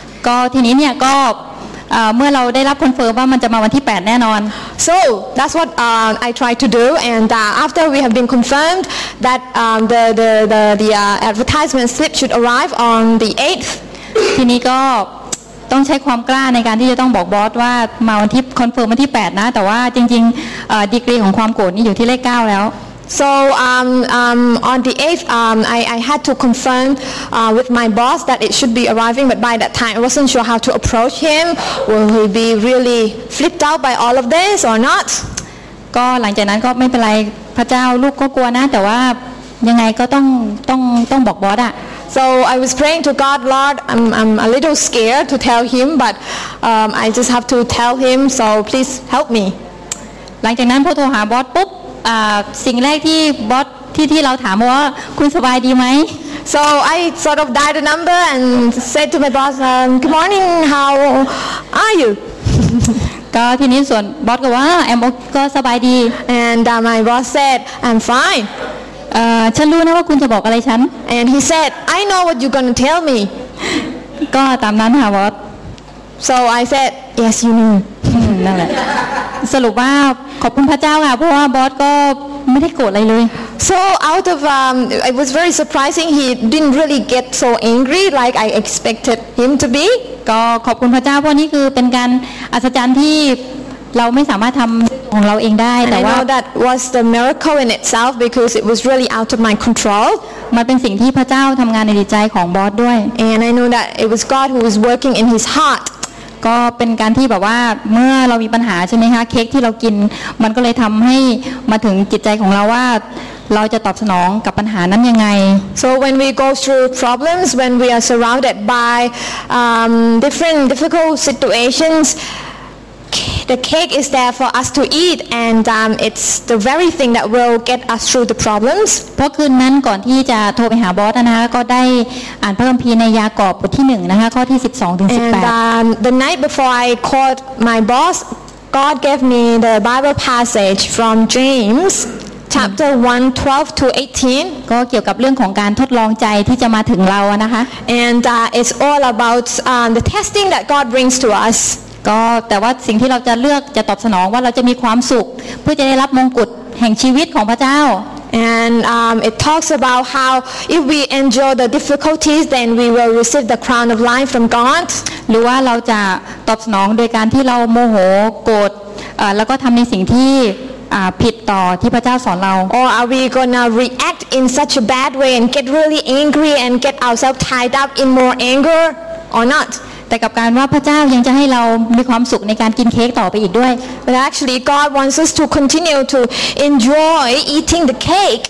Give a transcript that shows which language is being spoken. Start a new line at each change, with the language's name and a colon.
Thai: ก็ทีนี้เนี่ยก็เมื่อเราได้รับคอนเฟิร์มว่ามันจะมาวันที่8แน่นอน
English: So that's what I tried to do and after we have been confirmed that the advertisement slip should arrive on the 8th
Thai: ทีนี้ก็ต้องใช้ความกล้าในการที่จะต้องบอกบอสว่ามาวันที่คอนเฟิร์มวันที่8นะแต่ว่าจริงๆดีกรีของความโกรธนี่อยู่ที่เลข9แล้ว
English: So on the 8th, I had to confirm with my boss that it should be arriving, but by that time I wasn't sure how to approach him. Will he be really flipped out by all of this or not?
Thai: ก็หลังจากนั้นก็ไม่เป็นไรพระเจ้าลูกก็กลัวนะแต่ว่ายังไงก็ต้องบอกบอสอ่ะ
English: So I was praying to God, Lord, I'm a little scared to tell him, but I just have to tell him, so please help me.
Thai: หลังจากนั้นพอโทรหาบอสปุ๊บสิ่งแรกที่บอสที่เราถามว่าคุณสบายดีไหม
English: So I sort of dialed the number and said to my boss, good morning, how are you?
Thai: ก็ทีนี้ส่วนบอสก็ว่าแอมก็สบายดี
English: and my boss said I'm fine
Thai: ฉันรู้นะว่าคุณจะบอกอะไรฉัน
English: and he said I know what you're gonna tell me
Thai: ก็ตามนั้นค่ะบอส
English: so I said yes you know
Thai: นั่นแหละสรุปว่าขอบคุณพระเจ้าค่ะเพราะว่าบอสก็ไม่ได้โกรธอะไรเลย
English: so out of it was very surprising he didn't really get so angry like I expected him to be
Thai: ก็ขอบคุณพระเจ้าเพราะนี่คือเป็นการอัศจรรย์ที่เราไม่สามารถทำของเราเองได้แต่ว่า
English: I know that was the miracle in itself because it was really out of my control
Thai: มันเป็นสิ่งที่พระเจ้าทำงานในจิตใจของบอสด้วย
English: and I know that it was God who was working in his heart
Thai: ก็เป็นการที่แบบว่าเมื่อเรามีปัญหาใช่ไหมคะเค้กที่เรากินมันก็เลยทำให้มาถึงจิตใจของเราว่าเราจะตอบสนองกับปัญหานั้นยังไง
English: So when we go through problems when we are surrounded by different difficult situations the cake is there for us to eat and it's the very thing that will get us through the problems
Thai: เพราะคืนนั้นก่อนที่จะโทรไปหาบอสนะก็ได้อ่านพระคัมภีร์ในยากอบบทที่1นะคะข้อที่12ถึง18
English: And the night before I called my boss God gave me the Bible passage from JamesChapter 1, 12 to 18.
Thai: ก็เกี่ยวกับเรื่องของการทดลองใจที่จะมาถึงเรานะคะ
English: And it's all about the testing that God brings to us.
Thai: ก็แต่ว่าสิ่งที่เราจะเลือกจะตอบสนองว่าเราจะมีความสุขเพื่อจะได้รับมงกุฎแห่งชีวิตของพระเจ้า
English: And it talks about how if we endure the difficulties, then we will receive the crown of life from God.
Thai: หรือว่าเราจะตอบสนองโดยการที่เราโมโหโกรธแล้วก็ทำในสิ่งที่ผิดต่อที่พระเจ้าสอนเรา
English: Or are we gonna react in such a bad way and get really angry and get ourselves tied up in more anger or not?
Thai: แต่กับการว่าพระเจ้ายังจะให้เรามีความสุขในการกินเค้กต่อไปอีกด้วย
English: But actually God wants us to continue to enjoy eating the cake.